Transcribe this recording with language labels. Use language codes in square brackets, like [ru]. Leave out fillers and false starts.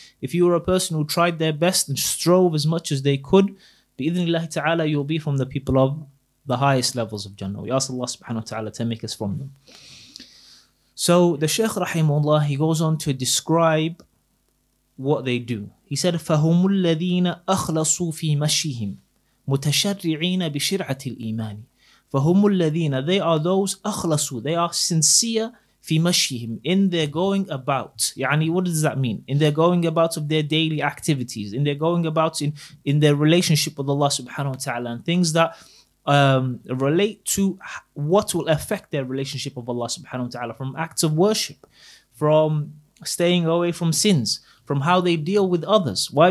[en] If you were a person who tried their best and strove as much as they could, bi-idhnillahi ta'ala, you'll be from the people of the highest levels of Jannah. We ask Allah subhanahu wa ta'ala to make us from them. So the Shaykh rahimahullah, he goes on to describe what they do. He said, [ar] فَهُمُ الَّذِينَ أَخْلَصُوا فِي مَشِّهِمْ مُتَشَرِّعِينَ بِشِرْعَةِ الْإِيمَانِ. فَهُمُ الَّذِينَ, [en] they are those [ar] أَخْلَصُوا, [en] they are sincere [ar] فِي مَشِّهِمْ, [en] in their going about. يعني, what does that mean? In their going about of their daily activities, in their going about in their relationship with Allah subhanahu wa ta'ala, and things that relate to what will affect their relationship of Allah subhanahu wa ta'ala, from acts of worship, from staying away from sins, from how they deal with others. Why?